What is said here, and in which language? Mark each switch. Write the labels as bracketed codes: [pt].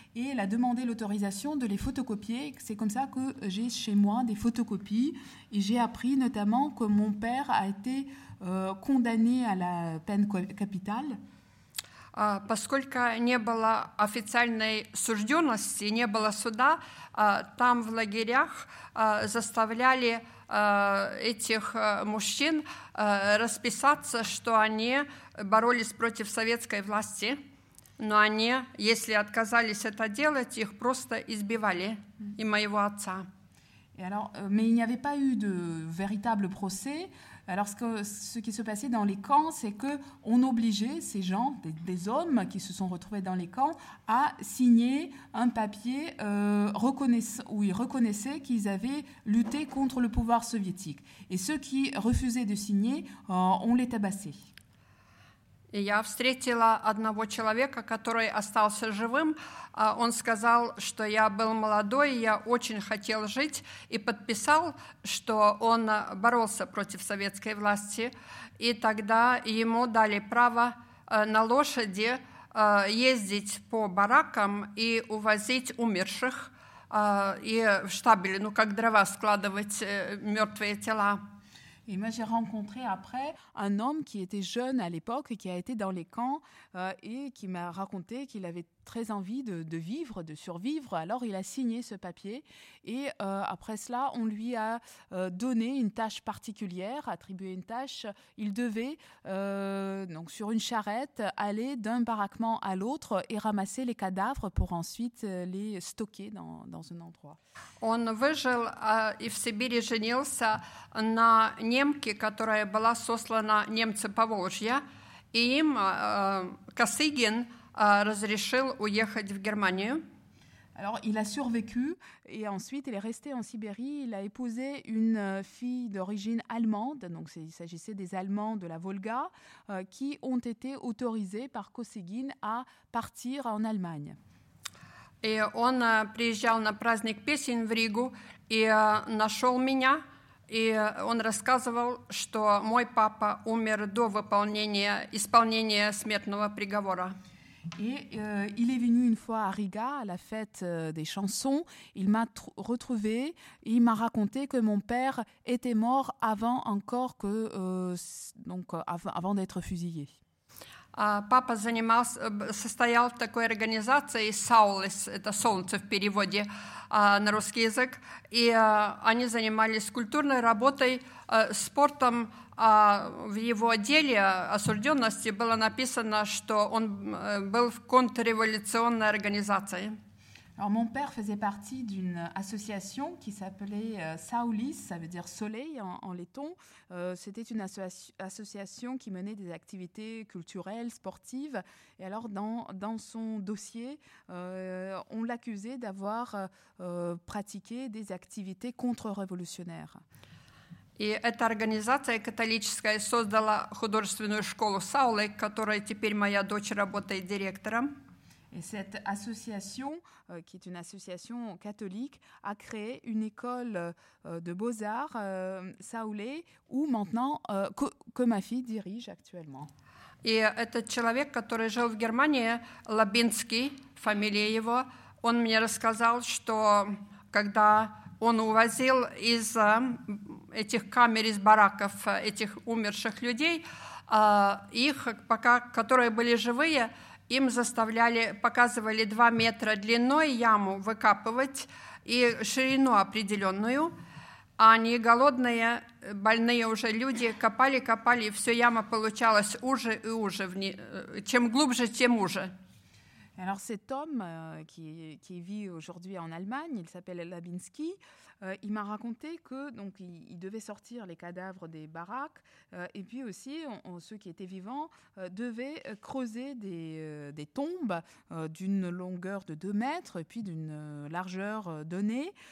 [fr] Et elle a demandé l'autorisation de les photocopier. C'est comme ça que j'ai chez moi des photocopies. Et j'ai appris notamment que mon père a été condamné à la peine capitale. [ru] Поскольку не было официальной сужденности, не было суда, там в лагерях заставляли этих мужчин расписаться, что они боролись против советской власти, но они, если отказались это делать, их просто избивали, и моего отца. [fr] Mais il n'y avait pas eu de véritable procès. Alors, ce qui se passait dans les camps, c'est qu'on obligeait ces gens, des hommes qui se sont retrouvés dans les camps, à signer un papier où ils reconnaissaient qu'ils avaient lutté contre le pouvoir soviétique. Et ceux qui refusaient de signer, on les tabassait. [ru] И я встретила одного человека, который остался живым. Он сказал, что я был молодой, я очень хотел жить, и подписал, что он боролся против советской власти. И тогда ему дали право на лошади ездить по баракам и увозить умерших и в штабель, ну, как дрова складывать мертвые тела. [fr] Et moi, j'ai rencontré après un homme qui était jeune à l'époque et qui a été dans les camps et qui m'a raconté qu'il avait très envie de vivre, de survivre. Alors, il a signé ce papier et après cela, on lui a donné une tâche particulière, attribué une tâche. Il devait, donc sur une charrette, aller d'un baraquement à l'autre et ramasser les cadavres pour ensuite les stocker dans un endroit. [ru] Он выжил и в Сибири женился на немке, которая была сослана немцы по Волжье, и им Косыгин разрешил уехать в Германию. [fr] Alors, il a survécu et ensuite il est resté en Sibérie. Il a épousé une fille d'origine allemande, donc il s'agissait des Allemands de la Volga, qui ont été autorisés par Косыгин à partir en Allemagne. [ru] И он приезжал на праздник песен в Ригу и нашел меня. И он рассказывал, что мой папа умер до исполнения смертного приговора. [fr] Et il est venu une fois à Riga, à la fête des chansons. Il m'a retrouvé et il m'a raconté que mon père était mort avant encore que, donc, avant d'être fusillé. [ru] Папа занимался, состоял в такой организации «Саулес», это «Солнце» в переводе на русский язык, и они занимались культурной работой, спортом. А в его деле осужденности было написано, что он был в контрреволюционной организации. [fr] Alors, mon père faisait partie d'une association qui s'appelait Saulis, ça veut dire soleil en letton. C'était une association qui menait des activités culturelles, sportives. Et alors, dans son dossier, on l'accusait d'avoir pratiqué des activités contre-révolutionnaires. [ru] И эта организация католическая создала художественную школу Саулы, которой теперь моя дочь работает директором. [fr] Et cette association, qui est une association catholique, a créé une école de beaux-arts, Saulé, où maintenant, que ma fille dirige actuellement. [ru] Et этот человек, который жил в Германии, Лабинский, фамилия его, он мне рассказал, что когда он увозил из этих камер, из бараков этих умерших людей, их, пока, которые были живые, им заставляли, показывали 2 метра длиной яму выкапывать и ширину определенную. А они голодные, больные уже люди копали, копали, и все яма получалась уже и уже. Чем глубже, тем уже. [fr] Alors cet homme qui vit aujourd'hui en Allemagne, il s'appelle Labinski, il m'a raconté que donc il devait sortir les cadavres des baraques et puis aussi ceux qui étaient vivants devaient creuser des tombes d'une longueur de 2 mètres et puis d'une largeur donnée.